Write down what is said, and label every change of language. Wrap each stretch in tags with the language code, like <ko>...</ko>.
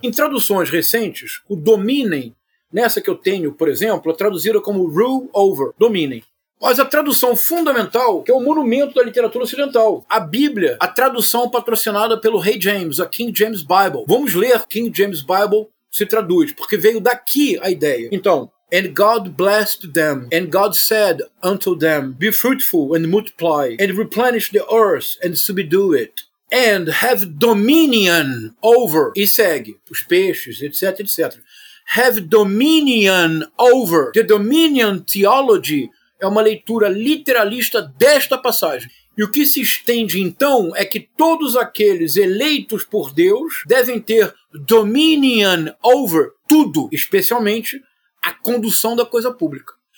<pt>Em traduções recentes, o dominem, nessa que eu tenho, por exemplo, é traduzida como</pt> <en>rule over,</en> <pt>dominem. Mas a tradução fundamental, que é o monumento da literatura ocidental, a Bíblia, a tradução patrocinada pelo rei James, a King James Bible. Vamos ler King James Bible se traduz, porque veio daqui a ideia. Então,</pt> <en>and God blessed them, and God said unto them, be fruitful and multiply, and replenish the earth and subdue it, and have dominion over,</en> <pt>e segue, os peixes, etc, etc.</pt> <en>Have dominion over, the dominion theology,</en> <pt>é uma leitura literalista desta passagem. E o que se estende, então, é que todos aqueles eleitos por Deus devem ter</pt> <en>dominion over</en> <pt>tudo, especialmente a condução da coisa pública.</pt>